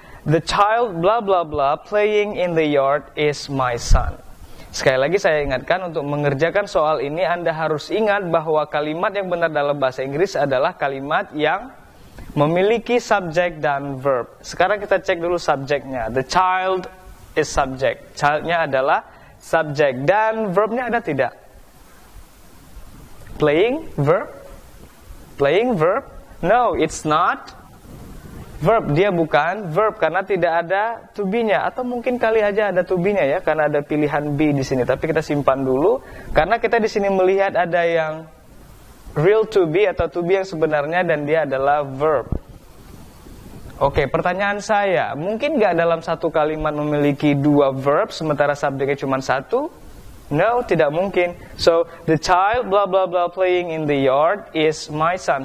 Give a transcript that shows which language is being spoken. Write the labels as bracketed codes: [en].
[en] The child blah blah blah playing in the yard is my son. [id] Sekali lagi saya ingatkan, untuk mengerjakan soal ini Anda harus ingat bahwa kalimat yang benar dalam bahasa Inggris adalah kalimat yang memiliki subject dan verb. Sekarang kita cek dulu subjectnya. [en] The child is subject. [id] Childnya adalah subject. Dan verbnya ada tidak? Playing, verb? Playing, verb? [en] No, it's not verb, [id] dia bukan verb karena tidak ada to be-nya, atau mungkin kali aja ada to be-nya ya karena ada pilihan be di sini, tapi kita simpan dulu karena kita di sini melihat ada yang real to be atau to be yang sebenarnya dan dia adalah verb. Oke, pertanyaan saya, mungkin enggak dalam satu kalimat memiliki dua verb sementara subjeknya cuma satu? No, tidak mungkin. [en] So, the child blah blah blah playing in the yard is my son.